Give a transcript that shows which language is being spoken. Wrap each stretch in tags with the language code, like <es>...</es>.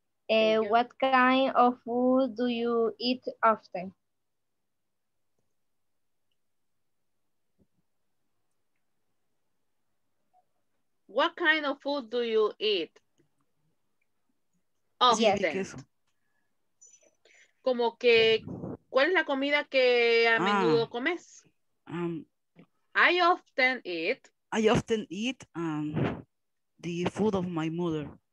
<en>What kind of food do you eat often? What kind of food do you eat often? Yes.</en> <es>Como que, ¿cuál es la comida que a menudo comes?</es> <en>I often eat the food of my mother.</en>